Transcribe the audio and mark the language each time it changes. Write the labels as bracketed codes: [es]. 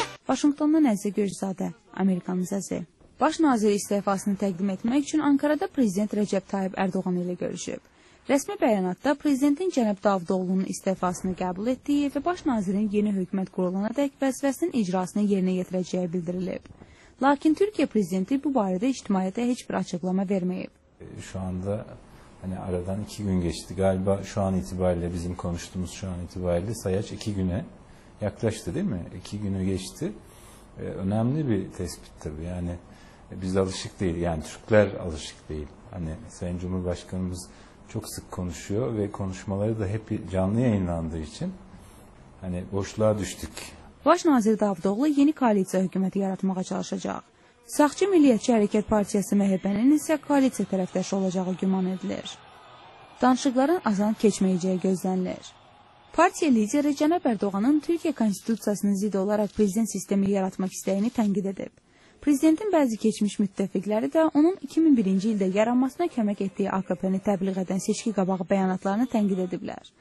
[az] Vaşinqtondan Əziz Gürcüzadə, Amerikanın səsi. Baş nazir istefasını təqdim etmək üçün Ankarada Prezident Rəcəb Tayyib Ərdoğan ilə görüşüb. Rəsmi bəyanatda Prezidentin Cənab Davudoğlunun istefasını qəbul etdiyi və Baş nazirin yeni hökumət qurulana dək vəzifəsinin icrasını yerinə yetirəcəyi bildirilib. Lakin Türkiyə Prezidenti bu barədə ictimaiyyətə heç bir açıqlama verməyib. [tr] Şu anda aradan 2 gün geçti. Galiba şu an itibariyle bizim konuştuğumuz şu an itibariyle sayaç 2 günə yaklaştı değil mi? 2 günü geçti. Önemli bir tespittir bu. Yani biz alışık değil. Yani Türkler alışık değil. Hani Sayın Cumhurbaşkanımız çok sık konuşuyor ve konuşmaları da hep canlı yayınlandığı için hani boşluğa düştük. [az] Başnazir Davudoğlu yeni koalisiya hükümeti yaratmağa çalışacak. Sağçı Milliyetçi Hareket Partiyası MHP'nin ise koalisiya tərəfdaşı olacağı güman edilir. Danışıqların azan keçməyəcəyi gözlənilir. Partiya lideri Cənab Ərdoğanın Türkiyə Konstitusiyasının zidd olaraq prezident sistemi yaratmaq istəyini tənqid edib. Prezidentin bəzi keçmiş müttəfiqləri də onun 2001-ci ildə yaranmasına kömək etdiyi AKP-ni təbliğ edən seçki qabağı bəyanatlarını tənqid ediblər.